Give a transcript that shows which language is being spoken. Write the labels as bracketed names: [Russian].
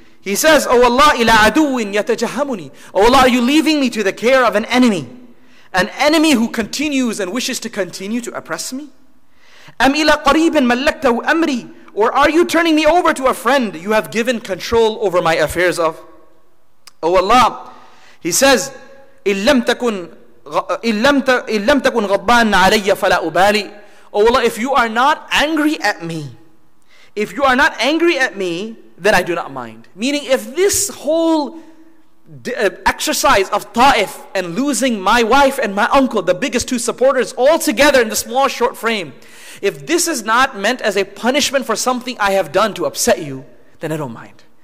[English] He says, Oh Allah, [Arabic] ila aduwin yatajahamuni. [English] Oh Allah, are you leaving me to the care of an enemy? An enemy who continues and wishes to continue to oppress me? [Arabic] Am ila qareebin mallaktahu amri? [English] Or are you turning me over to a friend you have given control over my affairs of? Oh Allah, he says, [Arabic] إِلَّمْ تَكُنْ غَضْبَانْ عَلَيَّ فَلَا أُبَالِي. [English] Oh Allah, if you are not angry at me, if you are not angry at me, then I do not mind. Meaning if this whole exercise of Ta'if and losing my wife and my uncle, the biggest two supporters, all together in the small short frame, if this is not meant as a punishment for something I have done to upset you, then I don't mind.